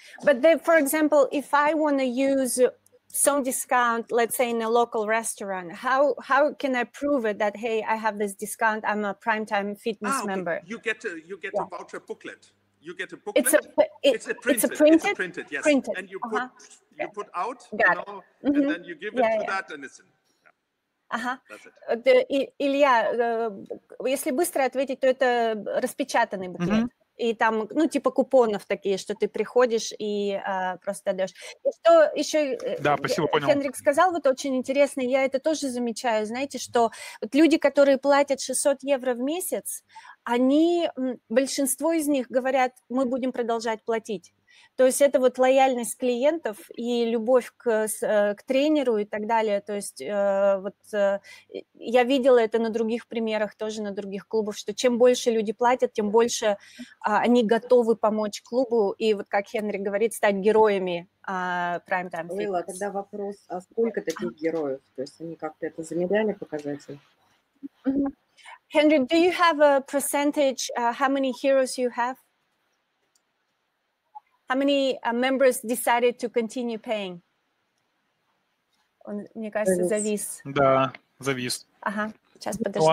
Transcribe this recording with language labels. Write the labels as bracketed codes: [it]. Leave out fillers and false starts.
[en] But then, for example, if I want to use some discount, let's say in a local restaurant, how can I prove it that, hey, I have this discount, I'm a prime time fitness okay. member? You get yeah. a voucher booklet. You get a booklet. It's printed. And you put uh-huh. you put out, you know, mm-hmm. and then you give it yeah, to yeah. that, and it's in. Ага. That's it. [ru] Илья, если быстро ответить, то это распечатанный буклет. Mm-hmm. И там, ну, типа купонов такие, что ты приходишь и просто отдаешь. И что еще да, спасибо, понял. Хендрик сказал, вот очень интересно, я это тоже замечаю, знаете, что вот люди, которые платят 600 евро в месяц, они, большинство из них говорят, мы будем продолжать платить. То есть это вот лояльность клиентов и любовь к тренеру и так далее. То есть вот я видела это на других примерах, тоже на других клубах, что чем больше люди платят, тем больше они готовы помочь клубу и, вот как Хенри говорит, стать героями Prime Time Fitness. Лила, тогда вопрос, а сколько таких героев? То есть они как-то это замеряли показатель? [en] Хенри, do you have a percentage, how many heroes you have? How many members decided to continue paying? [ru] Он, мне кажется, завис. Да, завис. Ага, сейчас подождем.